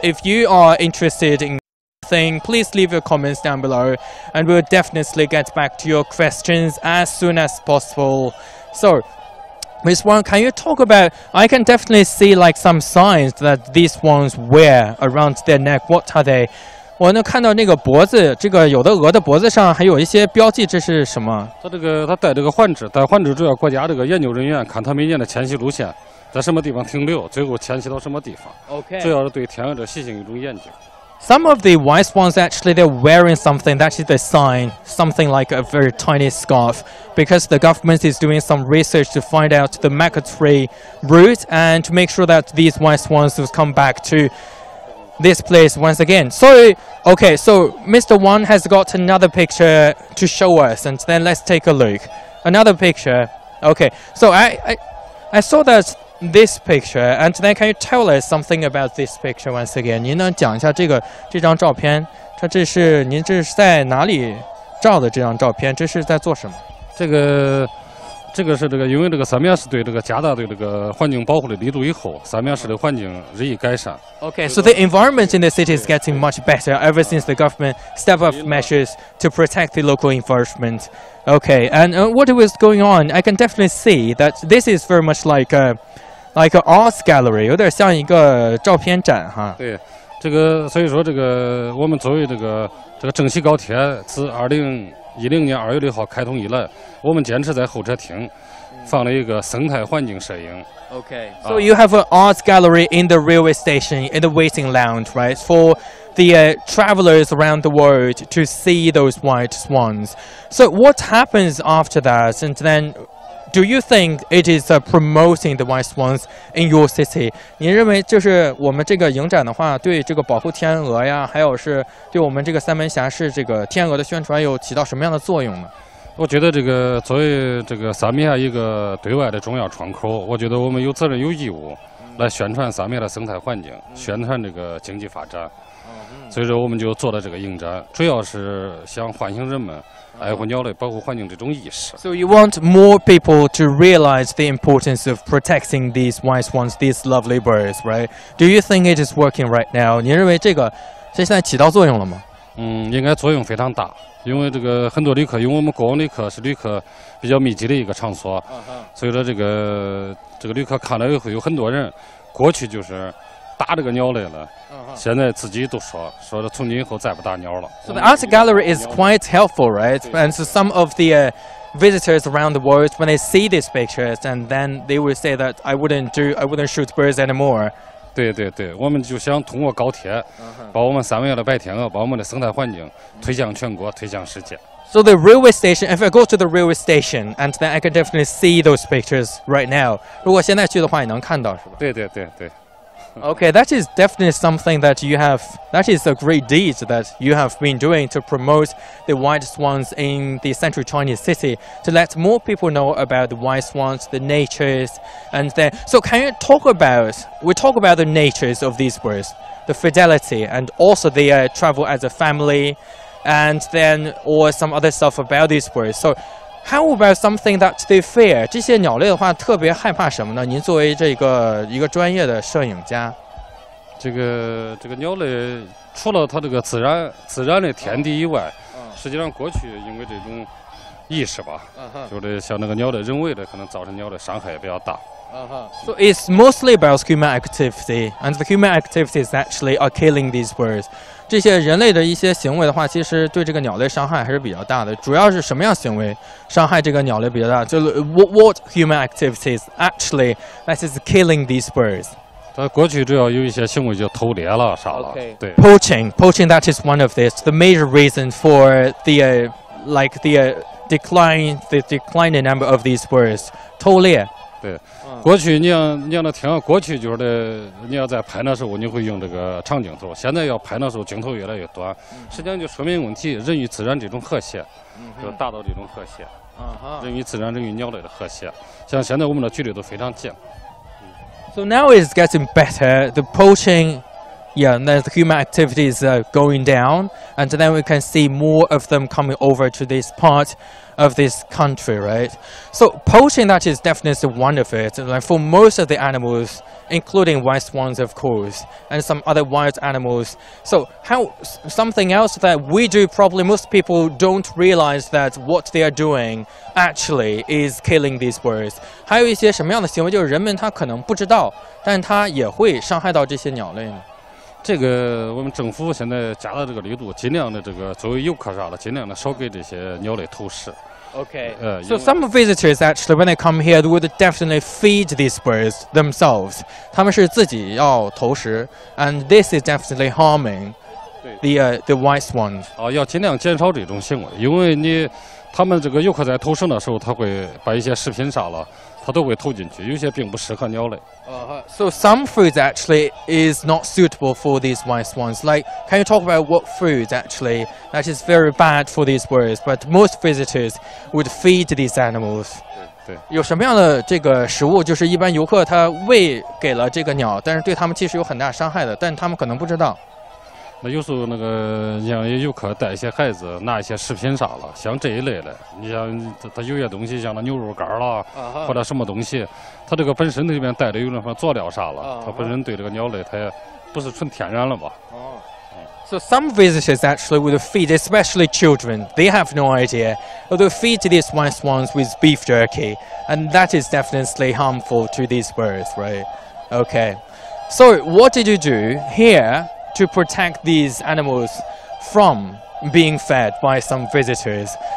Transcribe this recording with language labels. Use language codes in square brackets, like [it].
[en] If you are interested in thing, please leave your comments down below, and we'll definitely get back to your questions as soon as possible. So, Ms. Wang, can you talk about, I can definitely see like some signs that these ones wear around their neck. What are they? [zh] 我能看到那个脖子，这个有的鹅的脖子上还有一些标记，这是什么？它戴这个环指，戴环指主要国家这个研究人员看它每年的迁徙路线，在什么地方停留，最后迁徙到什么地方。 [en] Okay. [zh] 主要是对天鹅的习性一种研究。 [en] Some of the white swans actually they're wearing something that is a sign, something like a very tiny scarf, because the government is doing some research to find out the migratory route and to make sure that these white swans will come back to this place once again. So, okay, so Mr. Wang has got another picture to show us, and then let's take a look. Another picture. Okay, so I saw that. This picture, and then can you tell us something about this picture once again? [zh] 您能讲一下这张照片？您这是在哪里照的这张照片？这是在做什么？这个这个是这个，因为这个三面是对这个加大对这个环境保护的力度以后，三面市的环境日益改善。 [en] Okay, so the environment in the city is getting much better ever since the government step up measures to protect the local environment. Okay, and what was going on? I can definitely see that this is very much like an art gallery, [zh] 有点像一个照片展哈。对。这个所以说这个我们作为这个郑西高铁自2010年2月6号开通以来，我们坚持在候车厅放了一个生态环境摄影。 [en] Okay, so you have an art gallery in the railway station in the waiting lounge, right? For the travelers around the world to see those white swans. So what happens after that? And then, do you think it is promoting the white swans in your city? [zh] 您认为就是我们这个影展的话，对这个保护天鹅呀，还有是对我们这个三门峡市这个天鹅的宣传有起到什么样的作用呢？我觉得这个作为这个三面一个对外的重要窗口，我觉得我们有责任有义务来宣传三面的生态环境，宣传这个经济发展，所以说我们就做了这个影展，主要是想唤醒人们爱护鸟类保护环境这种意识。 [en] So you want more people to realize the importance of protecting these white swans, these lovely birds, right? Do you think it is working right now? [zh] 您认为这现在起到作用了吗？应该作用非常大，因为这个很多旅客，因为我们国王旅客是旅客比较密集的一个场所，所以说这个旅客看了以后，有很多人过去就是打这个鸟类了，现在自己都说从今以后再不打鸟了。 [en] So the art gallery is quite helpful, right? And so some of the visitors around the world, when they see these pictures, and then they will say that I wouldn't shoot birds anymore. [zh] 对对对，我们就想通过高铁把我们三门峡的白天鹅，把我们的生态环境推向全国，推向世界。 [en] So the railway station, if I go to the railway station, and then I can definitely see those pictures right now. [zh] 如果现在去的话，也能看到，是吧？对对对对。 [en] Okay, that is definitely something that you have, that is a great deed that you have been doing to promote the white swans in the central Chinese city, to let more people know about the white swans, the natures, and then, so can you talk about, we talk about the natures of these birds, the fidelity, and also the travel as a family, and then, or some other stuff about these birds, so how about something that they fear? [zh] 这些鸟类的话特别害怕什么呢？您作为一个专业的摄影家，这个鸟类除了它这个自然的天敌以外，实际上过去因为这种意识吧，就是像那个鸟类人为的可能造成鸟类伤害也比较大。 [en] So it's mostly about human activity, and the human activities actually are killing these birds. [zh] 这些人类的一些行为的话，其实对这个鸟类伤害还是比较大的。主要是什么样行为伤害这个鸟类比较大？就 [en] what human activities actually that is killing these birds? [zh] 它过去主要有一些行为就偷猎了啥了。 [en] Okay. [zh] 对 [en] poaching that is one of this the major reason for the decline in number of these birds. [zh] 偷猎。对，过去你要那天鹅，过去就是的，你要在拍的时候你会用这个长镜头，现在要拍的时候镜头越来越短，实际上就说明问题，人与自然这种和谐，就达到这种和谐，人与自然、人与鸟类的和谐，像现在我们的距离都非常近。 [en] So now it's getting better. The poaching, yeah, and the human activities are going down, and then we can see more of them coming over to this part. Of this country, right? So poaching, that is definitely one of it. Like for most of the animals, including white swans, of course, and some other wild animals. So how something else that we do probably most people don't realize that what they are doing actually is killing these birds. [zh] 还有一些什么样的行为，就是人们他可能不知道，但他也会伤害到这些鸟类呢？这个我们政府现在加了这个力度，尽量的这个作为游客啥的，尽量的少给这些鸟类投食。 [en] Okay. So some visitors actually, when they come here, they would definitely feed these birds themselves. [zh] 他们是自己要投食 [en] ，and this is definitely harming the white swans. [zh] 要尽量减少这种行为，因为你他们这个游客在投食的时候，他会把一些食品啥了。它都会投进去，有些并不适合鸟类。 [en] So some foods actually is not suitable for these white swans. Like, can you talk about what foods actually that is very bad for these birds? But most visitors would feed these animals. [zh] 对，有什么样的这个食物，就是一般游客他喂给了这个鸟，但是对他们其实有很大伤害的，但他们可能不知道。那有时候那个让游客带一些孩子拿一些食品啥了，像这一类的，你像他有些东西像那牛肉干了、或者什么东西，他这个本身那边带的有那什么佐料啥了，他本身对这个鸟类他也不是纯天然了吧。 [en] So some visitors actually would feed, especially children, they have no idea, but they feed these white swans with beef jerky, and that is definitely harmful to these birds, right? Okay. So what did you do here to protect these animals from being fed by some visitors?